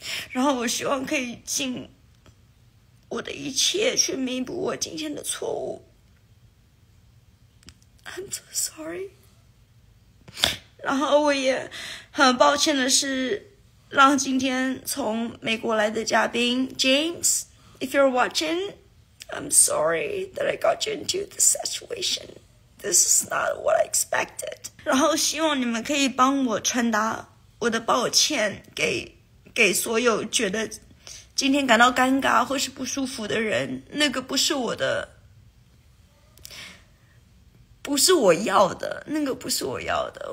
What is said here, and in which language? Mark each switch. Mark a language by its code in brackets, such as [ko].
[zh] 然后我希望可以尽我的一切去弥补我今天的错误。 [en] I'm so sorry。 [zh] 然后我也很抱歉的是让今天从美国来的嘉宾 James, [en] if you're watching, I'm sorry that I got you into this situation. This is not what I expected. [zh] 然后希望你们可以帮我传达我的抱歉给所有觉得今天感到尴尬或是不舒服的人，那个不是我的，不是我要的，那个不是我要的。